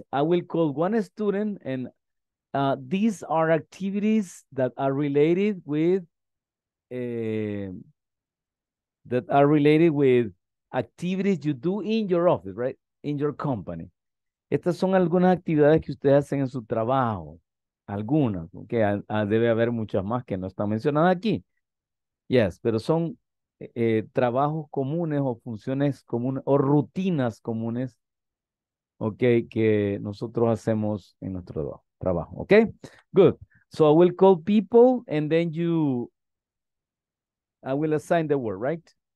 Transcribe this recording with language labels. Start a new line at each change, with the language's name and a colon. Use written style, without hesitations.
English: I will call one student and these are activities that are related with activities you do in your office, right? In your company.
Spanish: Estas son algunas actividades que ustedes hacen en su trabajo. Algunas, ok. Debe haber muchas más que no están mencionadas aquí. Yes, pero son trabajos comunes o funciones comunes o rutinas comunes ok, que nosotros hacemos en nuestro trabajo, ok.
English: Good. So I will call people and then you, I will assign the word, right?